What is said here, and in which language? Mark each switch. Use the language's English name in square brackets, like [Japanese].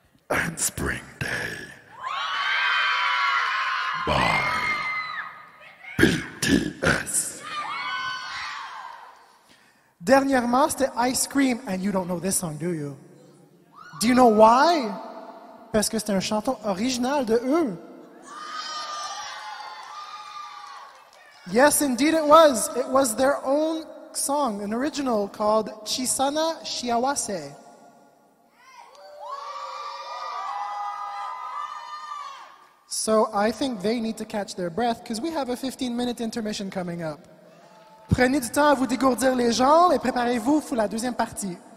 [English] and Spring Day by BTS. [French] Dernièrement, c'était [English] Ice Cream, and you don't know this song, do you? Do you know why? [French] Parce que c'est un chanson original de eux. [English] Yes, indeed it was. It was their own song, an original called Chisana Shiawase. So I think they need to catch their breath because we have a 15-minute intermission coming up. [French] Prenez du temps à vous dégourdir les jambes et préparez-vous pour la deuxième partie.